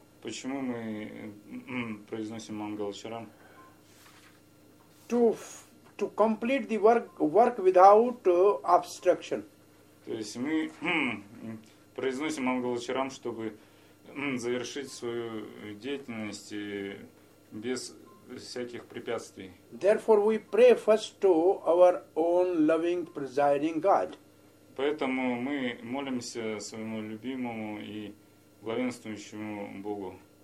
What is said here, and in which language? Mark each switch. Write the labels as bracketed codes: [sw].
[ru] Почему мы произносим Мангалачаран? [en] To complete the work without obstruction. [ru] То есть мы произносим Мангалачарам, чтобы завершить свою деятельность без всяких препятствий. [en] Therefore we pray first to our own loving presiding God. [ru] Поэтому мы молимся своему любимому и главенствующему Богу.